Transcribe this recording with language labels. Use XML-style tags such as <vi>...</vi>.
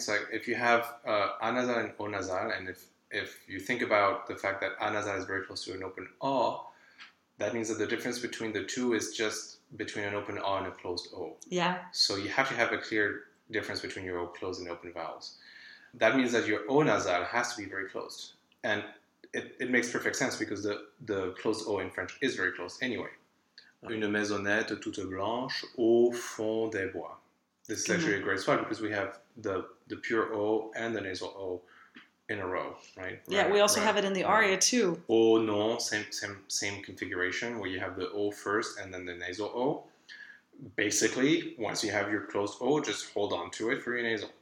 <en>So if you have A-nasal and O-nasal, and if you think about the fact that A-nasal is very close to an open A, that means that the difference between the two is just between an open A and a closed O. Yeah. So you have to have a clear difference between your closed and open vowels. That means that your O-nasal has to be very closed. And it makes perfect sense because the closed O in French is very closed anyway. Okay.</en> <fr>Une maisonnette toute blanche au fond des bois.</fr> <en>This is actually a great spot because we have the pure O and the nasal O in a row, right? Yeah, we also have it in the aria too. Oh, non, same configuration where you have the O first and then the nasal O. Basically, once you have your closed O, just hold on to it for your nasal.</en>